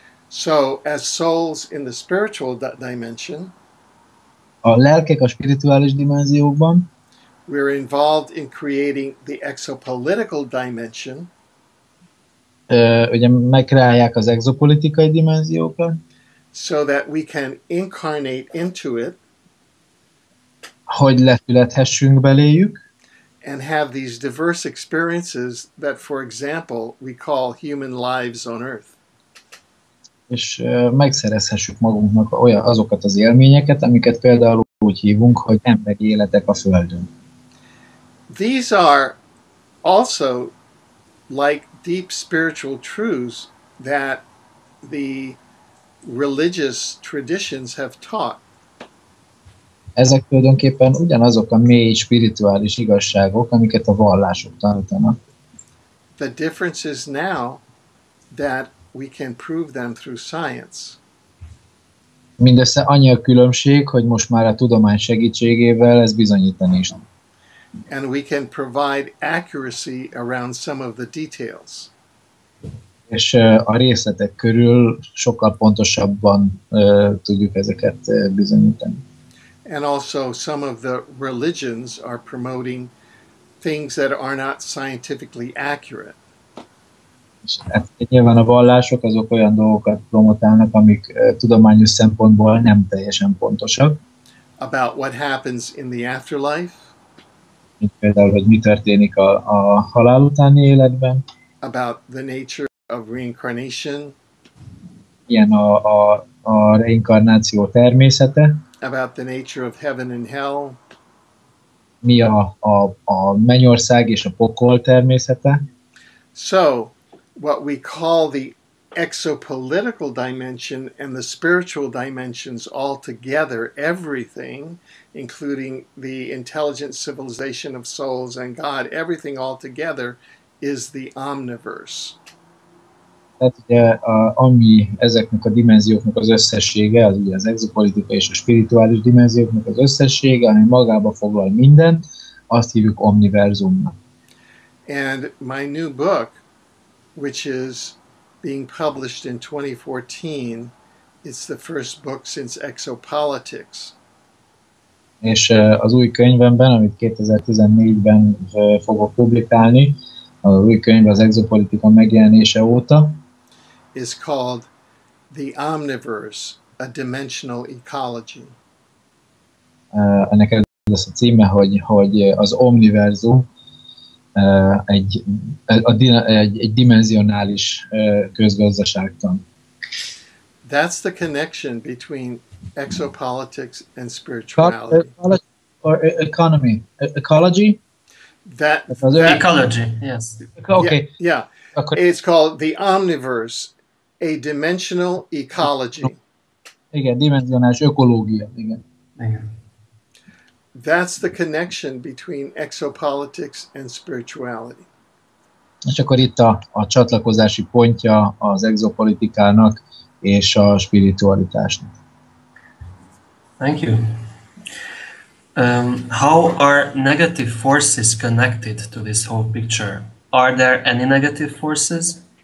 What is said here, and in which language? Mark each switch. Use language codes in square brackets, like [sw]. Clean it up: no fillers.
[en] So, as souls in the spiritual dimension, [hu] a lelkek a spirituális dimenziókban, [en] we're involved in creating the exopolitical dimension, [hu] ugye megkreálják az exopolitikai dimenziókat, [en] so that we can incarnate into it, [hu] hogy lefülethessünk beléjük, [en] and have these diverse experiences that, for example, we call human lives on earth. [hu] És megszerezhessük magunknak azokat az élményeket, amiket például úgy hívunk, hogy emberi életek a Földön. [en] These are also like deep spiritual truths that the religious traditions have taught. [hu] Ezek tulajdonképpen ugyanazok a mély spirituális igazságok, amiket a vallások tanítanak. [en] The difference is now that we can prove them through science. [hu] Mindössze annyi a különbség, hogy most már a tudomány segítségével ez bizonyítani is. [en] And we can provide accuracy around some of the details. [hu] És a részletek körül sokkal pontosabban tudjuk ezeket bizonyítani. [en] And also some of the religions are promoting things that are not scientifically accurate. [hu] Nyilván a vallások azok olyan dolgokat promotálnak, amik tudományos szempontból nem teljesen pontosak. [en] About what happens in the afterlife. [hu] Mint például, hogy mi történik a halál utáni életben. [en] About the nature of reincarnation. [hu] Ilyen a reinkarnáció természete. [en] About the nature of heaven and hell. [hu] Mi a mennyország és a pokol természete. [en] So, what we call the exopolitical dimension and the spiritual dimensions all together, everything, including the intelligent civilization of souls and God, everything all together is the omniverse. [hu] Tehát ugye, ami ezeknek a dimenzióknak az összessége, az ugye az exopolitika és a spirituális dimenzióknak az összessége, ami magába foglal mindent, azt hívjuk omniverzumnak. [en] And my new book, which is being published in 2014, it's the first book since Exopolitics. [hu] És az új könyvemben, amit 2014-ben fogok publikálni, az új könyv az Exopolitika megjelenése óta, [en] is called The Omniverse, a Dimensional Ecology. [hu] Ennek ez az a címe, hogy az omniverzum egy dimenzionális közgazdaságtan. [en] That's the connection between exopolitics and spirituality. Or economy. Ecology? That ecology, yes. Okay. Yeah. It's called The Omniverse, a Dimensional Ecology. [hu] Igen, dimenzionális ökológia. Igen. [en] That's the connection between exopolitics and spirituality. [hu] És akkor itt a csatlakozási pontja az exopolitikának és a spiritualitásnak. [en] Thank you. How are negative forces connected to this whole picture? Are there any negative forces?